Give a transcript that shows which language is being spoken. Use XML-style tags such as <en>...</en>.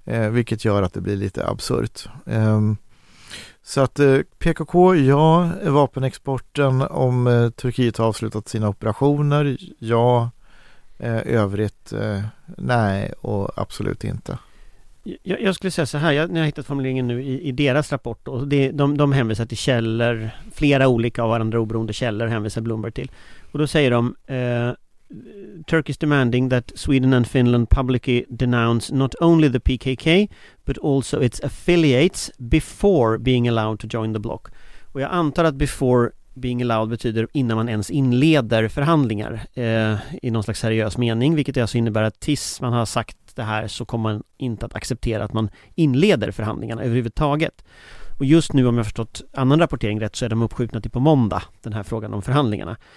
<sv>Vilket gör att det blir lite absurt. Så att PKK, ja, vapenexporten om Turkiet har avslutat sina operationer, ja, övrigt nej och absolut inte. Jag skulle säga så här, jag har hittat formuleringen nu i deras rapport, och de hänvisar till källor, flera olika av varandra oberoende källor hänvisar Bloomberg till, och då säger de...</sv> <en>Turkey is demanding that Sweden and Finland publicly denounce not only the PKK but also its affiliates before being allowed to join the bloc.</en> <sv>Och jag antar att</sv> <en>before being allowed</en> <sv>betyder innan man ens inleder förhandlingar i någon slags seriös mening, vilket alltså innebär att tills man har sagt det här så kommer man inte att acceptera att man inleder förhandlingarna överhuvudtaget. Och just nu, om jag har förstått annan rapportering rätt, så är de uppskjutna till på måndag, den här frågan om förhandlingarna.</sv>